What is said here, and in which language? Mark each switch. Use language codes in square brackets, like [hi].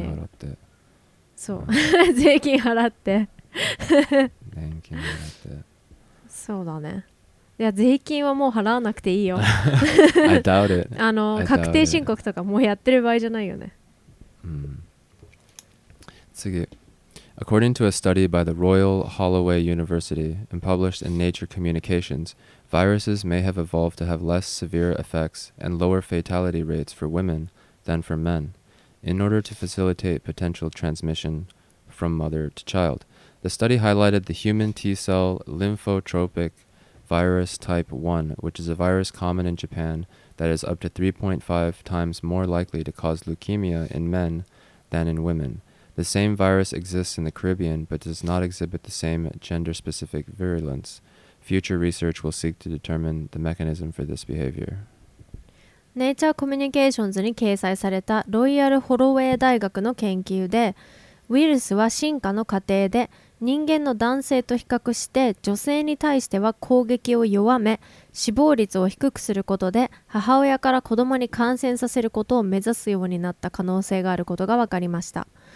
[ja] うん、税金払って、そう、うん、税金払って年金払ってそうだね。いや、税金はもう払わなくていいよ。 [en] I doubt it. [ja] あの、確定申告とかもうやってる場合じゃないよね。次。 [en] According to a study by the Royal Holloway University and published in Nature Communications, viruses may have evolved to have less severe effects and lower fatality rates for women than for men. in order to facilitate potential transmission from mother to child. The study highlighted the human T-cell lymphotropic virus type 1, which is a virus common in Japan that is up to 3.5 times more likely to cause leukemia in men than in women. The same virus exists in the Caribbean, but does not exhibit the same gender-specific virulence. Future research will seek to determine the mechanism for this behavior. [ja] Nature Communications に掲載されたロイヤル・ホロウェイ大学の研究で、ウイルスは進化の過程で人間の男性と比較して女性に対しては攻撃を弱め、死亡率を低くすることで母親から子供に感染させることを目指すようになった可能性があることが分かりました。